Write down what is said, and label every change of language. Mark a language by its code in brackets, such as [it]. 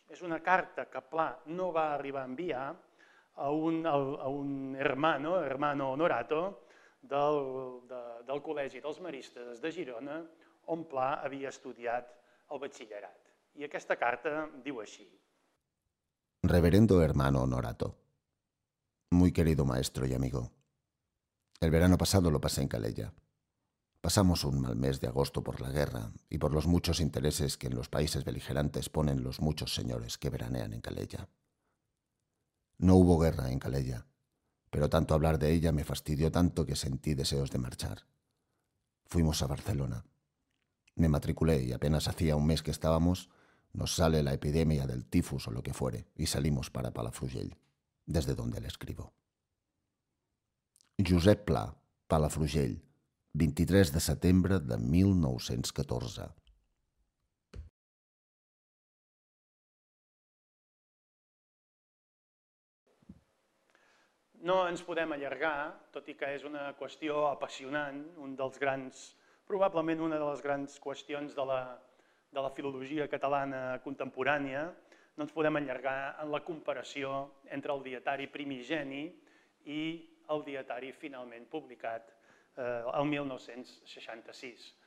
[ca] És una carta que Pla no va arribar a enviar a un hermano honorato, del Col·legi dels Maristes de Girona, on Pla havia estudiat el batxillerat. I aquesta carta diu així. [es] Reverendo hermano honorato, muy querido maestro y amigo. El verano pasado lo pasé en Calella. Pasamos un mal mes de agosto por la guerra y por los muchos intereses que en los países beligerantes ponen los muchos señores que veranean en Calella. No hubo guerra en Calella, pero tanto hablar de ella me fastidió tanto que sentí deseos de marchar. Fuimos a Barcelona. Me matriculé y apenas hacía un mes que estábamos, nos sale la epidemia del tifus o lo que fuere, y salimos para Palafrugell, desde donde le escribo. [ca] Josep Pla, Palafrugell, 23 de setembre de 1914. No ens podem allargar, tot i que és una qüestió apassionant, un dels grans, probablement una de les grans qüestions de la filologia catalana contemporània, no ens podem allargar en la comparació entre el dietari primigeni i el dietari finalment publicat el 1966.